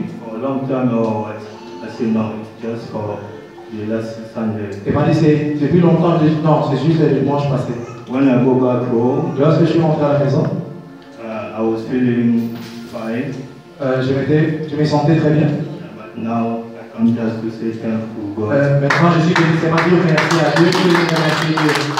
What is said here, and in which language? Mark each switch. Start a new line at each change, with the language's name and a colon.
English: For a long time, just for the last Sunday.
French: Il m'a dit, c'est depuis longtemps, non, c'est juste le dimanche passé.
English: When I go back home.
French: Lorsque je suis rentré à la maison.
English: I was feeling fine.
French: Je me sentais très bien.
English: But now, I'm just to say thank you, God.
French: Maintenant, je suis venu, c'est ma vie, merci à Dieu, je suis venu, merci à Dieu.